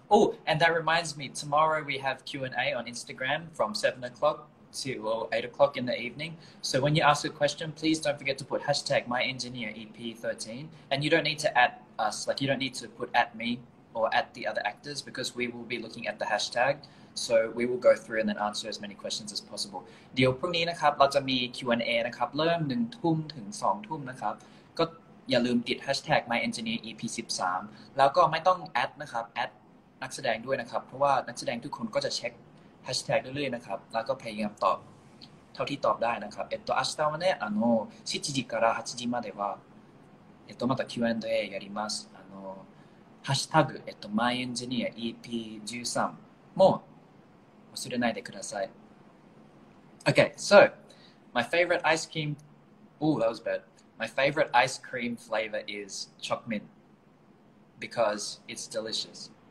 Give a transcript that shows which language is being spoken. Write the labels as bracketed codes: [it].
[en] Oh, and that reminds me, tomorrow we have Q&A on Instagram from 7 o'clock to 8 o'clock in the evening. So when you ask a question, please don't forget to put hashtag myengineerep13. And you don't need to add us, like you don't need to put at me or at the other actors, because we will be looking at the hashtag. So we will go through and then answer as many questions as possible. [th] เดี๋ยวพรุ่งนี้นะครับเราจะมี Q&A นะครับเริ่ม1ทุ่มถึง2ทุ่มนะครับก็อย่าลืมติด hashtag myengineerep13แล้วก็ไม่ต้องแอดนะครับแอดนักแสดงด้วยนะครับเพราะว่านักแสดงทุกคนก็จะเช็ค hashtag เรื่อยๆนะครับแล้วก็พยายามตอบเท่าที่ตอบได้นะครับอัสตาวันเนี [ja] 7時から8時まではまた Q&A やりますhashtag myengineerep13 も忘れないでください。 [en] Okay, so my favorite ice cream. Oh, that was bad. My favorite ice cream flavor is choc mint because it's delicious.